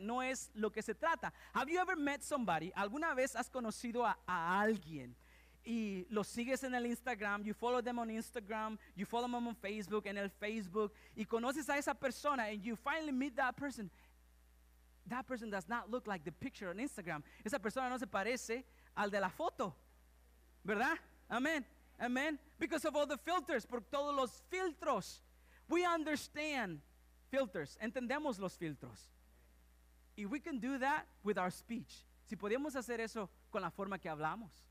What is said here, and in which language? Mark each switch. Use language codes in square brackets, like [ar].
[es] No es lo que se trata. [en] Have you ever met somebody? [es] ¿Alguna vez has conocido a alguien? Y lo sigues en el Instagram. [en] You follow them on Instagram. You follow them on Facebook. [es] En el Facebook. Y conoces a esa persona. [en] And you finally meet that person. That person does not look like the picture on Instagram. [es] Esa persona no se parece al de la foto. ¿Verdad? [en] Amen. Amen. Because of all the filters, [es] por todos los filtros. [en] We understand filters. [es] Entendemos los filtros. [en] If we can do that with our speech. [es] Si podemos hacer eso con la forma que hablamos.